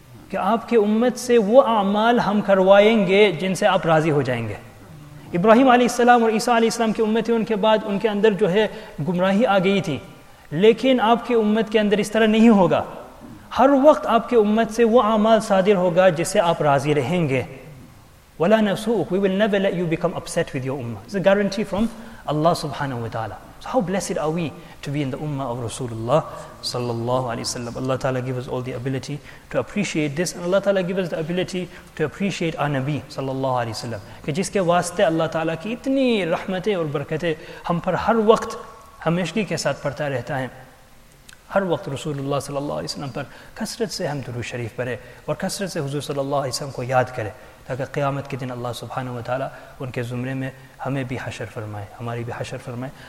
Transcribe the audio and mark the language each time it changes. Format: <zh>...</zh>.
<ur>کہ آپ کے امت سے وہ اعمال ہم کروائیں گے جن سے آپ راضی ہو جائیں گے. ابراہیم علیہ السلام اور عیسیٰ علیہ السلام کی امتیں ان کے بعد ان کے اندر جو ہے گمراہی آ گئی تھی, لیکن آپ کی امت کے اندر اس طرح نہیں ہوگا. ہر وقت آپ کے امت سے وہ اعمال صادر ہوگا جس سے آپ راضی رہیں گے.</ur> <ar>وَلَا نَسُؤُكْ</ar> <en>We will never let you become upset with your ummah. It's a guarantee from Allah subhanahu wa ta'ala. So how blessed are we to be in the ummah of Rasulullah sallallahu alayhi wa sallam. Allah ta'ala give us all the ability to appreciate this, and Allah ta'ala give us the ability to appreciate our Nabi sallallahu alayhi wa sallam.</en> <ur>کہ جس کے واسطے اللہ تعالیٰ کی اتنی رحمتیں اور برکتیں ہم پر ہر وقت ہمیشگی کے ساتھ پڑتا رہتا ہے. ہر وقت رسول اللہ صلی اللہ علیہ وسلم پر کثرت سے ہم درود شریف پڑھے اور کثرت سے حضور صلی اللہ علیہ وسلم کو یاد کرے, تاکہ قیامت کے دن اللہ سبحانہ و تعالیٰ ان کے زمرے میں ہمیں بھی حشر فرمائے, ہماری بھی حشر فرمائے.</ur>